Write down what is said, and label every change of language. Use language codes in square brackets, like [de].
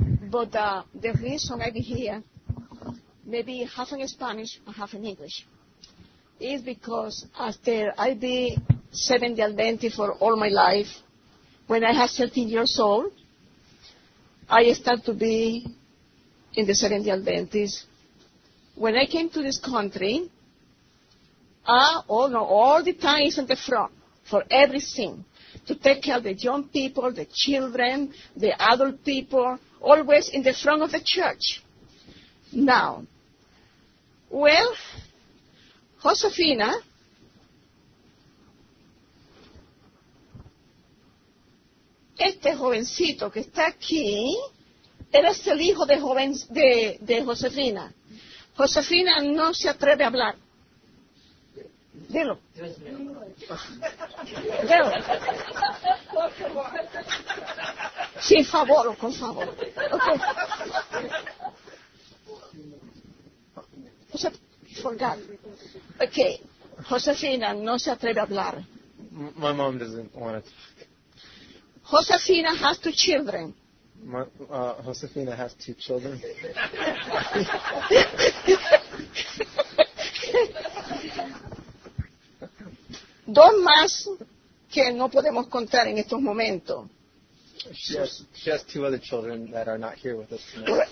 [en] But the reason I'm here, maybe half in Spanish or half in English, is because after I be Seventh-day Adventist for all my life, when I was 13 years old, I start to be in the Seventh-day Adventist. When I came to this country, all the time is in the front for everything, to take care of the young people, the children, the adult people, always in the front of the church. Now, well, [es] Josefina, este jovencito que está aquí, él es el hijo de Josefina. Josefina no se atreve a hablar. Dilo. Dilo. Sin favor, con favor. Okay. Okay, Josefina no se atreve a hablar. [en] My mom doesn't want to talk. Josefina has two children. Josefina has two children. [es] Dos más que no podemos contar en estos momentos. [en] She has two other children that are not here with us tonight.